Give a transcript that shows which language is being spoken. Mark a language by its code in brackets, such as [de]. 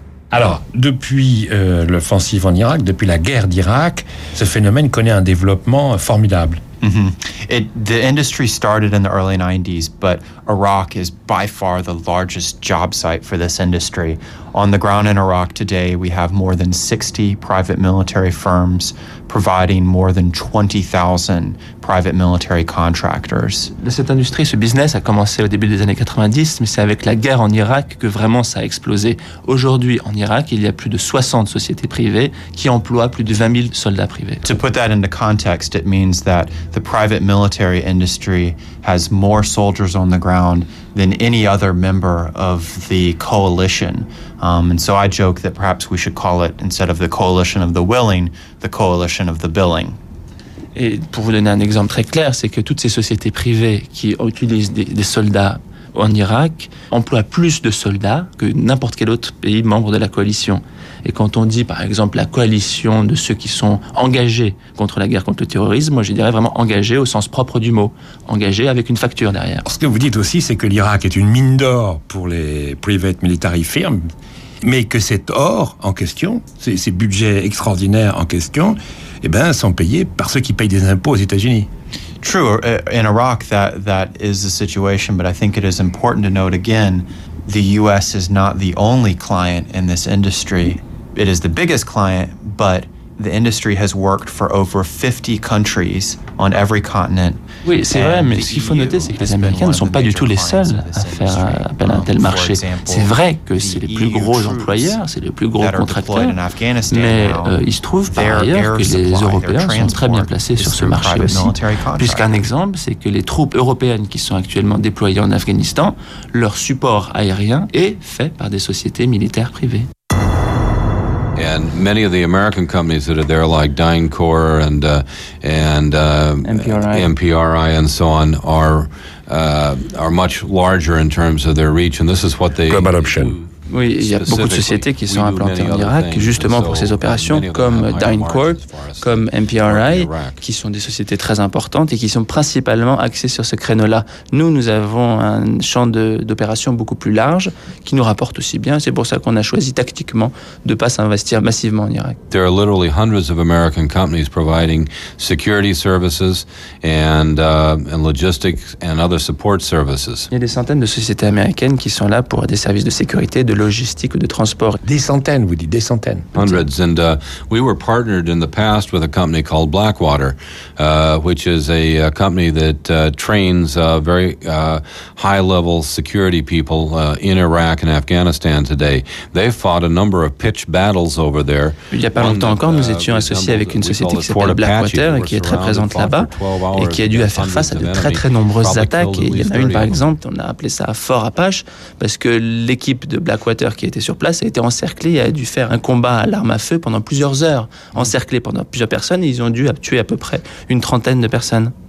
[fr] Alors, depuis l'offensive en Irak, depuis la guerre d'Irak, ce phénomène connaît un développement formidable. [en] The industry started in the early 90s, but Iraq is by far the largest job site for this industry. On the ground in Iraq today, we have more than 60 private military firms providing more than 20,000 private military contractors. [fr] Cette industrie, ce business a commencé au début des années 90, mais c'est avec la guerre en Irak que vraiment ça a explosé. Aujourd'hui, en Irak, il y a plus de 60 sociétés privées qui emploient plus de 20 000 soldats privés. [en] To put that into context, it means that the private military industry has more soldiers on the ground than any other member of the coalition. And so I joke that perhaps we should call it, instead of the coalition of the willing, the coalition of the billing. [fr] Et pour vous donner un exemple très clair, c'est que toutes ces sociétés privées qui utilisent des soldats en Irak emploient plus de soldats que n'importe quel autre pays membre de la coalition. Et quand on dit, par exemple, la coalition de ceux qui sont engagés contre la guerre contre le terrorisme, moi je dirais vraiment engagés au sens propre du mot, engagés avec une facture derrière. Ce que vous dites aussi, c'est que l'Irak est une mine d'or pour les private military firms, mais que cet or en question, ces budgets extraordinaires en question, eh bien, sont payés par ceux qui payent des impôts aux États-Unis. [en] True, in Iraq, that is the situation, but I think it is important to note again, the U.S. is not the only client in this industry. It is the biggest client, but the industry has worked for over 50 countries on every continent. [fr] Oui, c'est vrai, mais ce qu'il faut noter, c'est que les Américains ne sont pas du tout les seuls à faire appel à un tel marché. C'est vrai que c'est les plus gros employeurs, c'est les plus gros contracteurs, mais il se trouve par ailleurs que les Européens sont très bien placés sur ce marché aussi. Puisqu'un exemple, c'est que les troupes européennes qui sont actuellement déployées en Afghanistan, leur support aérien est fait par des sociétés militaires privées. [en] And many of the American companies that are there, like DynCorp and MPRI and so on, are much larger in terms of their reach. And this is what they Global Option. [fr] Oui, il y a beaucoup de sociétés qui sont implantées en Irak justement pour ces opérations, comme DynCorp, comme MPRI, qui sont des sociétés très importantes et qui sont principalement axées sur ce créneau-là. Nous, nous avons un champ d'opérations beaucoup plus large qui nous rapporte aussi bien. C'est pour ça qu'on a choisi tactiquement de ne pas s'investir massivement en Irak. [en] There are literally hundreds of American companies providing security services and logistics and other support services. [fr] Il y a des centaines de sociétés américaines qui sont là pour des services de sécurité, de logistique ou de transport. Des centaines, vous dites, des centaines. [en] Hundreds. And we were partnered in the past with a company called Blackwater, which is a company that trains very high-level security people in Iraq and Afghanistan today. They've fought a number of pitched battles over there. [fr] Il n'y a pas longtemps encore, nous étions associés avec une société qui s'appelle Blackwater, qui est très présente là-bas, et qui a dû faire face à de très très nombreuses attaques. Et il y en a une, par exemple, on a appelé ça Fort Apache, parce que l'équipe de Blackwater qui était sur place a été encerclée et a dû faire un combat à l'arme à feu pendant plusieurs heures, encerclée pendant plusieurs personnes, et ils ont dû tuer à peu près une trentaine de personnes.